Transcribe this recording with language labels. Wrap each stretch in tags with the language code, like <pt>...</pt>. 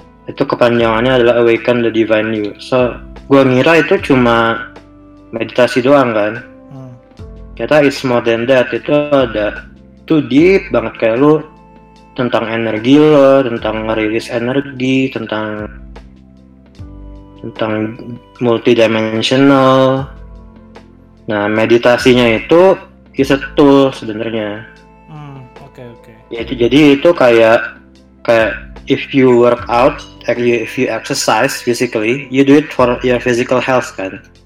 <id>Itu kepanjangannya adalah Awaken the Divine You. So gue ngira itu cuma meditasi doang kan. Kata</id> <en>it's more than that.</en> <id>Itu ada</id> <en>too deep</en> <id>banget, kayak lu tentang energi lo, tentang rilis energi, tentang tentang multidimensional. Nah, meditasinya itu</id> <en>is a tool</en> <id>sebenarnya.</id> <en>Okay.</en> <id>Jadi itu kayak kayak</id> <en>if you work out, if you exercise physically, you do it for your physical health</en> <id>kan.</id>